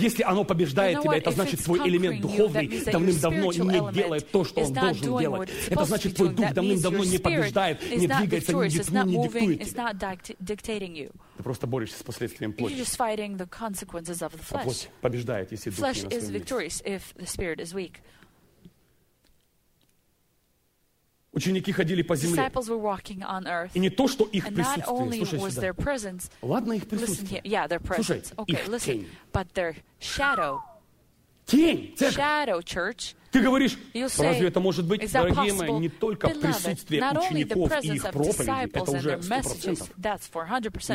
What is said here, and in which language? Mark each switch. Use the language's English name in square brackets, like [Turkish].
[Russian] Если оно побеждает тебя, это значит, твой элемент духовный давным-давно не делает то, что он должен делать. Это значит, твой дух давным-давно не побеждает, не двигается, ни ритму не диктует тебе. Ты просто борешься с последствиями плоти. [English] Consequences of the flesh. [Russian] Плоть побеждает, если дух [English] flesh is victorious if the spirit is weak. [Russian] Ученики ходили по земле. [English] Disciples were walking on earth. [Russian] И не то, что их присутствие. Ладно, их присутствие. [English] Yeah, their presence. [Russian] Слушай, [English] okay, [Russian] их [English] listen. [Russian] Тень. [English] But their shadow. [Russian] Тень, церковь. [English] Shadow, church. [Russian] Ты говоришь, say, разве это может быть, дорогие мои, не только beloved, присутствие учеников и их проповеди, это уже 100%.